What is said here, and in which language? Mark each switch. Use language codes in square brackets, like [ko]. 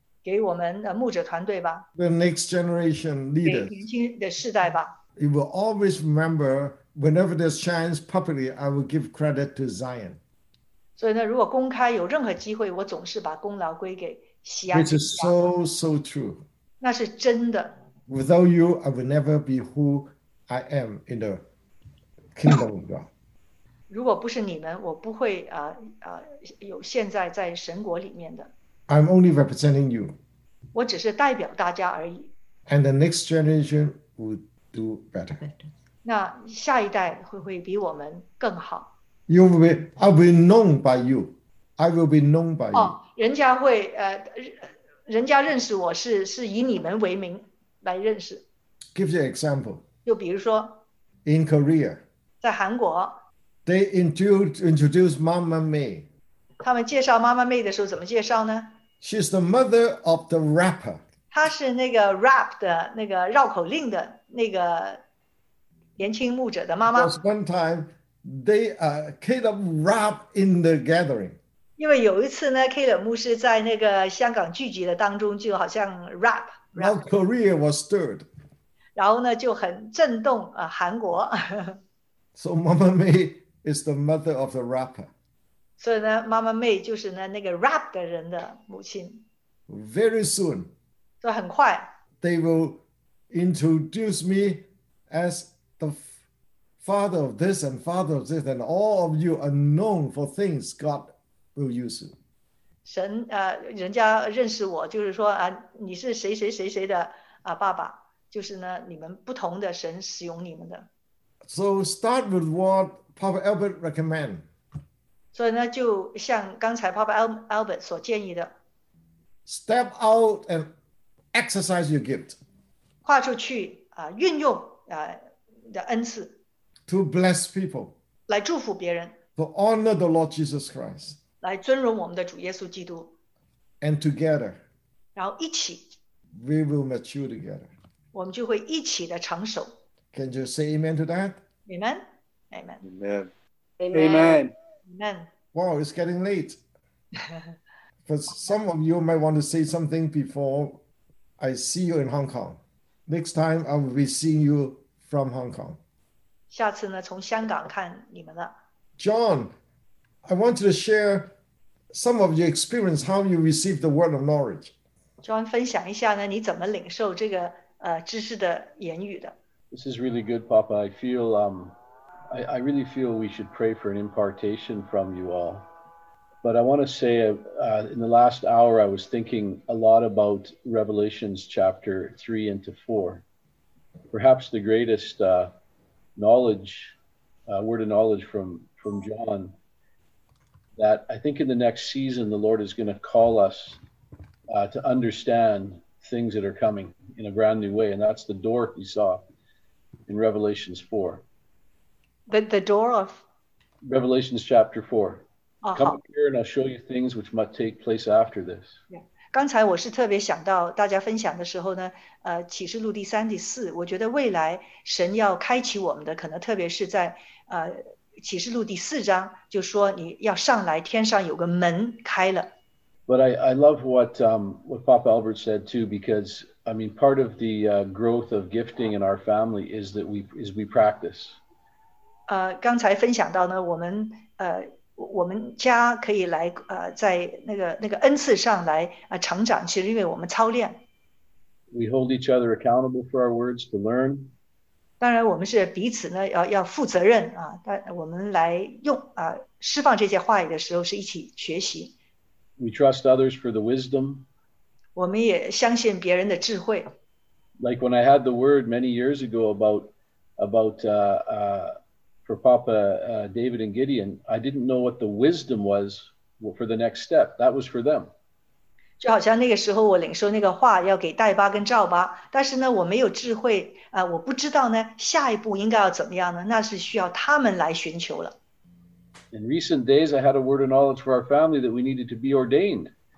[zh] 给我们牧者团队吧。 [en] The next generation leader. [zh] 给年轻的世代吧。 [en] You will always remember, whenever there's chance publicly, I will give credit to Zion. [zh] 所以呢, 如果公开有任何机会, 我总是把功劳归给西安。 [en] Which is so, so true. [zh] 那是真的。 [en] Without you, I will never be who I am in the kingdom of God. [zh] 如果不是你们, 我不会, 有现在在神国里面的。 [en] I'm only representing you. [zh] 我只是代表大家而已。 [en] And the next generation will do better. [zh] 那下一代会比我们更好。 [en] You will be, I will be known by you. I will be known by you. [zh] 人家会, 人家认识我是以你们为名来认识。 [en] Give you an example. [zh] 就比如说, [en] In Korea. [zh] 在韩国, [en] They introduce Mama May. [zh] 他们介绍 Mama May的时候怎么介绍呢? [en] She's the mother of the rapper. [zh] 她是那个 rap的那个绕口令的那个年轻牧者的妈妈。 [en] Because one time, they Caleb rapped in the gathering. [zh] 因为有一次呢, Caleb牧师在那个香港聚集的当中就好像 rap. [en] Now Korea was stirred. [zh] 然后呢就很震动, 韩国。 [en] So Mama May is the mother of the rapper. [zh] 所以呢, Mama May就是那个rap的人的母亲。 [en] Very soon. [zh] 所以很快, [en] they will introduce me as the father of this and father of this, and all of you are known for things God will use. [zh] 神, 人家认识我就是说, 你是谁谁谁谁的, 爸爸, 就是呢, 你们不同的神使用你们的。 [en] So start with what Papa Albert recommend. [zh] 所以呢, 就像刚才 Papa Albert 所建议的, [en] Step out and exercise your gift. [zh] 跨出去, 运用, 的恩赐, [en] to bless people. [zh] 来祝福别人, [en] to honor the Lord Jesus Christ. [zh] 来尊荣我们的主耶稣基督, [en] and together, [zh] 然后一起, [en] we will mature together. [zh] 我们就会一起的成熟。 [en] Can you say amen to that? Amen. Amen. Amen. Amen. Amen. Wow, it's getting late. For some of you might want to say something before I see you in Hong Kong. Next time, I will be seeing you from Hong Kong. [zh] 下次呢, 从香港看你们了。 [en] John, I want you to share some of your experience, how you receive the word of knowledge. [zh] John, 分享一下呢, 你怎么领受这个, 知识的言语的? [en] This is really good, Papa. I feel, I really feel we should pray for an impartation from you all. But I want to say, in the last hour, I was thinking a lot about Revelations chapter 3 into 4. Perhaps the greatest knowledge, word of knowledge from John, that I think in the next season, the Lord is going to call us to understand things that are coming in a brand new way. And that's the door he saw in Revelations 4. The door of? Revelations chapter 4. Come up here and I'll show you things which might take place after this. Yeah. [zh] 刚才我是特别想到大家分享的时候呢, 启示录第三、第四, 我觉得未来神要开启我们的可能特别是在 启示录第四章, 就说你要上来天上有个门开了。 [en] But I love what Papa Albert said too, because I mean part of the growth of gifting in our family is that we practice. [zh] 刚才分享到呢, 我们 我们家可以来, 在那个恩赐上来, 成长, 其实因为我们操练。 [en] We hold each other accountable for our words to learn. [zh] 当然我们是彼此呢, 要负责任, 我们来用, 释放这些话语的时候, 是一起学习。 [en] We trust others for the wisdom. [zh] 我们也相信别人的智慧。 [en] Like when I had the word many years ago for Papa David and Gideon, I didn't know what the wisdom was for the next step. That was for them. [zh] 就好像那个时候我领受那个话要给大巴跟赵巴，但是呢，我没有智慧， 我不知道呢，下一步应该要怎么样呢？那是需要他们来寻求了。 [en] In recent days, I had a word of knowledge for our family that we needed to be ordained.